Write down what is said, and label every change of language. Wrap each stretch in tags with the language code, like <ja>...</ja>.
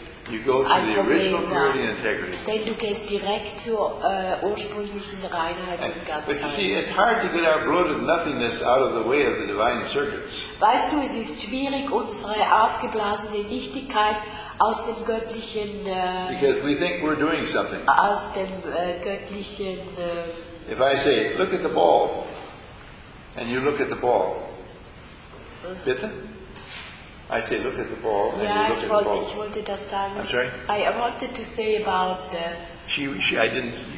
<en>You go to the original purity and integrity.</en> <de>Denn du gehst direkt zur ursprünglichen Reinheit und Ganzheit.</de> <en>But you see, it's hard to get our bloated nothingness out of the way of the divine circuits.</en> <de>Weißt du, es ist schwierig, unsere aufgeblasene Nichtigkeit aus dem göttlichen</de> <en>Because we think we're doing something.</en> <de>Aus dem göttlichen</de> <en>If I say, "Look at the ball," and you look at the ball. Bitte? I say, look at the ball.</en> <de>Ja,</de> <en>and you look at the ball.</en> <de>Ich das sagen.</de> <en>I'm sorry. I wanted to say about the. She. I didn't.</en>